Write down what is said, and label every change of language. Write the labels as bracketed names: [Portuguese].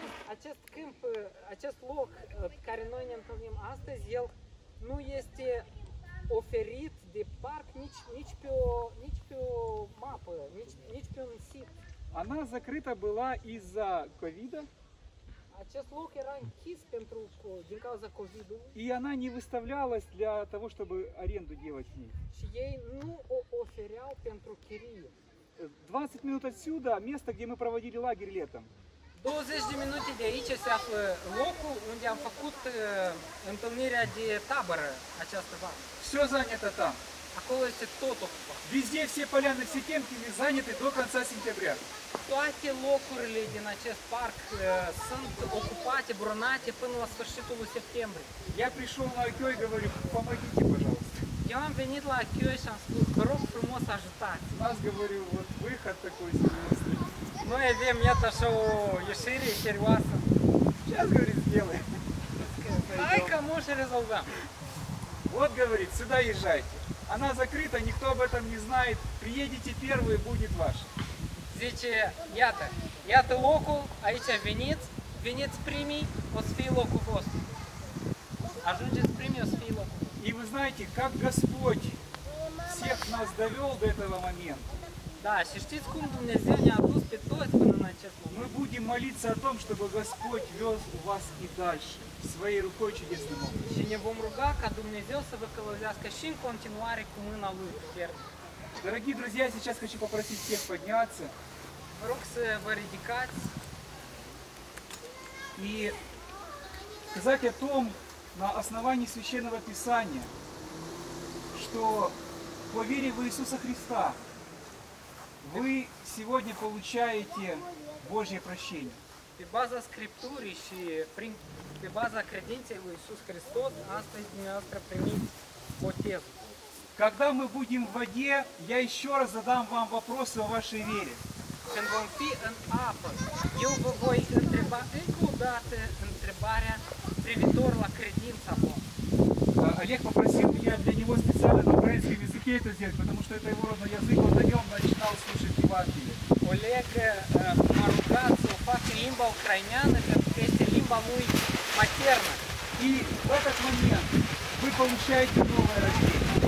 [Romanian] Acest câmp, acest loc care noi ne întâlnim astăzi, el nu este oferit de parc nici pe o mapă, nici pe un sit. [Russian] Она закрыта была из-за ковида. [Romanian] Acest loc era închis pentru din cauza COVID-ului. [Russian] И она не выставлялась для того, чтобы аренду делать в ней. [Romanian] Și ei nu o ofereau pentru chirie. [Russian] 20 минут отсюда место, где мы проводили лагерь летом. [Romanian] 20 de minute de aici se află locul unde am făcut întâlnirea de tabără această vară. [Russian] Все занято там. [Romanian] Acolo este tot ocupat. [Russian] Везде все поляны, все темки заняты до конца сентября. [Romanian] Toate locurile din acest parc sunt ocupate, brunate până la sfârșitul lui septembrie. [Russian] Я пришёл на Акёй, говорю, помогите, пожалуйста. [Romanian] Eu am venit la Акёй și am spus, vă rog frumos, ajutați. [Russian] У нас, говорю, вот выход такой серьёзный. [Romanian] Noi avem, iată așa, o ieșire serioasă. [Russian] Сейчас, говорит, сделай. [Romanian] Hai că mă și rezolvăm. [Russian] Вот, говорит, сюда езжайте. Она закрыта, никто об этом не знает. Приедете первые, будет ваш. [Romanian] Zice, iată locul, aici veniți primii, o să fie locul vostru. Ajungeți primii, o să fie locul. [Russian] И вы знаете, как Господь всех нас довел до этого момента. [Romanian] Да, și știți cum Dumnezeu ne-a dus pe toți până în acest moment. [Russian] Мы будем молиться о том, чтобы Господь вез вас и дальше, своей рукой чудесным образом. [Romanian] Și ne vom ruga ca Dumnezeu să vă călăuzească și în continuare cu mâna Lui, fermă. [Russian] Дорогие друзья, сейчас хочу попросить всех подняться. Рукса варидикать. И сказать о том, на основании Священного Писания, что по вере в Иисуса Христа вы сегодня получаете Божье прощение. [Romanian] Pe baza Scripturii și pe baza credinței lui Iisus Hristos, astăzi dumneavoastră primiți botezul. [Russian] Когда мы будем в воде, я еще раз задам вам вопросы о вашей вере. [Romanian] Când vom fi în apă, eu vă voi întreba încă o dată întrebarea privitor la credința voastră. [Russian] Олег попросил меня для него специально на украинском языке это сделать, потому что это его родной язык, он на нем начинал слушать Евангелие. [Romanian] Олег m-a rugat să o fac în limba ucraineană, pentru că este limba lui maternă. [Russian] И в этот момент вы получаете новое рождение.